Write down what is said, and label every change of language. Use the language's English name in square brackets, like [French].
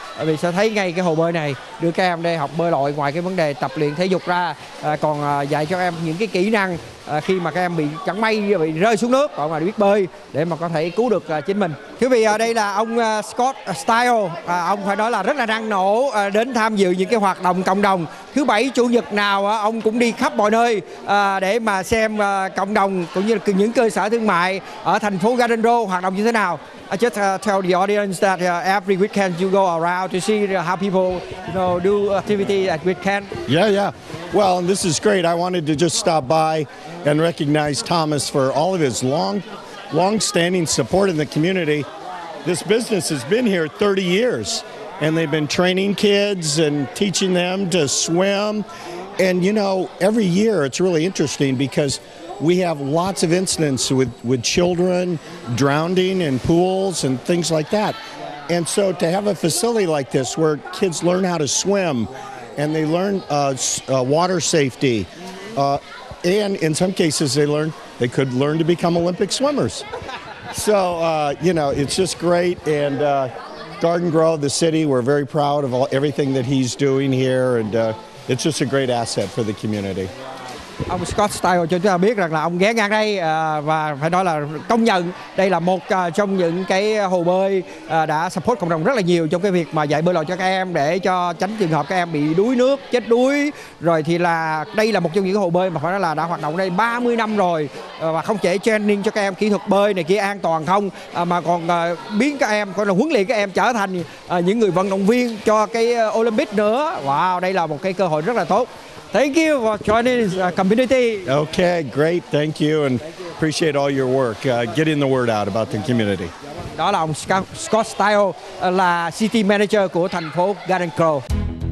[Vietnamese] Mình sẽ thấy ngay cái hồ bơi này. Đưa các em đây học bơi lội, ngoài cái vấn đề tập luyện thể dục ra còn dạy cho em những cái kỹ năng khi mà các em bị chẳng may bị rơi xuống nước, còn mà biết bơi để mà có thể cứu được chính mình. Thưa vị, đây là ông Scott Style. Ông phải nói là rất là năng nổ đến tham dự những cái hoạt động cộng đồng. Thứ bảy chủ nhật nào ông cũng đi khắp mọi nơi để mà xem cộng đồng cũng như là những cơ sở thương mại ở thành phố Garden Road hoạt động như thế nào. [English] I just tell the audience that every weekend you go around to see how people, you know, do activity at weekend. Yeah, yeah. Well, and this is great. I wanted to just stop by and recognize Thomas for all of his long-standing support in the community. This business has been here 30 years, and they've been training kids and teaching them to swim. And, you know, every year it's really interesting because we have lots of incidents with children drowning in pools and things like that. And so to have a facility like this where kids learn how to swim and they learn water safety, and in some cases they could learn to become Olympic swimmers. So, you know, it's just great. And Garden Grove, the city, we're very proud of everything that he's doing here. And it's just a great asset for the community. [Vietnamese] Ông Scott Style cho chúng ta biết rằng là ông ghé ngang đây và phải nói là công nhận đây là một trong những cái hồ bơi đã support cộng đồng rất là nhiều trong cái việc mà dạy bơi lội cho các em, để cho tránh trường hợp các em bị đuối nước, chết đuối. Rồi thì là đây là một trong những hồ bơi mà phải nói là đã hoạt động đây 30 năm rồi, và không chỉ training cho các em kỹ thuật bơi này kia an toàn không, mà còn biến các em, còn là huấn luyện các em trở thành những người vận động viên cho cái Olympic nữa. Wow, đây là một cái cơ hội rất là tốt. [English] Thank you for joining the community. Okay, great. Thank you, and appreciate all your work getting the word out about the community. [Vietnamese] Đó là ông Scott Style, là City Manager của thành phố Garden Grove.